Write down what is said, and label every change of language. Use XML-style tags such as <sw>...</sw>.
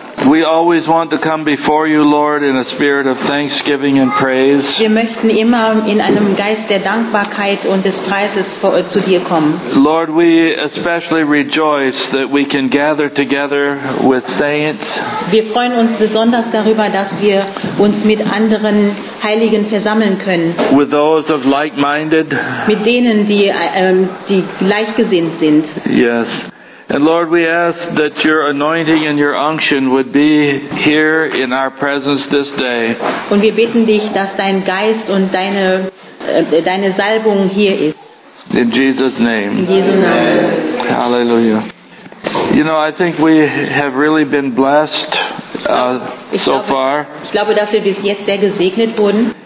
<en>We always want to come before you, Lord, in a spirit of thanksgiving and praise.</en> <de>Wir möchten immer in einem Geist der Dankbarkeit und des Preises zu dir kommen.</de> <en>Lord, we especially rejoice that we can gather together with saints.</en> <de>Wir freuen uns besonders darüber, dass wir uns mit anderen Heiligen versammeln können.</de> <en>With those of like-minded.</en> <de>Mit denen, die gleichgesinnt sind.</de> <en>Yes. And Lord, we ask that your anointing and your unction would be here in our presence this day.</en> <de>Und wir bitten dich, dass dein Geist und deine Salbung hier ist.</de> <en>In Jesus' name.</en> <de>In Jesu Namen. Hallelujah.</de> <en>You know, I think we have really been blessed so far.</en> <de>Ich glaube, dass wir bis jetzt sehr gesegnet wurden.</de>